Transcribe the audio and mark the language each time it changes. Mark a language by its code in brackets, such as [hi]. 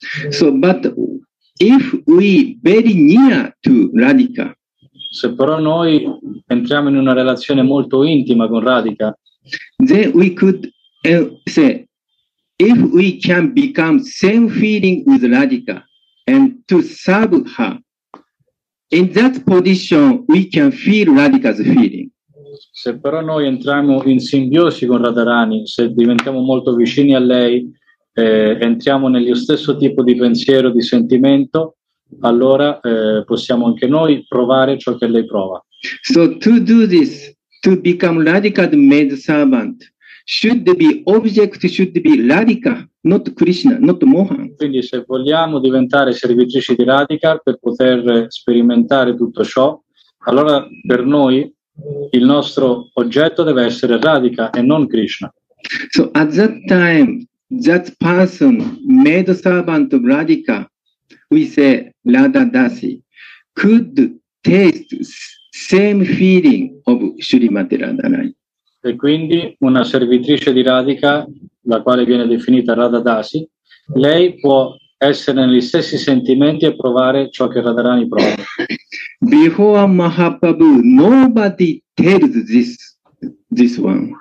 [en] So but if we very near to Radhika. [it] Se però noi entriamo in una relazione molto intima con Radhika, [en] then we could say if we can become same feeling with Radhika and to serve her. In that position we can feel Radhika's feeling. [it] Se però noi entriamo in simbiosi con Radharani, se diventiamo molto vicini a lei, entriamo nello stesso tipo di pensiero, di sentimento, allora possiamo anche noi provare ciò che lei prova. [en] So to do this, to become Radhika's maid servant, should be object should be Radhika, not Krishna, not Mohan. [it] Quindi se vogliamo diventare servitrici di Radhika per poter sperimentare tutto ciò, allora per noi il nostro oggetto deve essere Radhika e non Krishna. [en] So at that time that person made servant of Radhika, we say Radha Dasi, could taste same feeling of Srimati Radharani. [it] E quindi una servitrice di Radhika, la quale viene definita Radha Dasi, lei può essere negli stessi sentimenti e provare ciò che Radharani prova. [en] Before Mahaprabhu, nobody tells this one.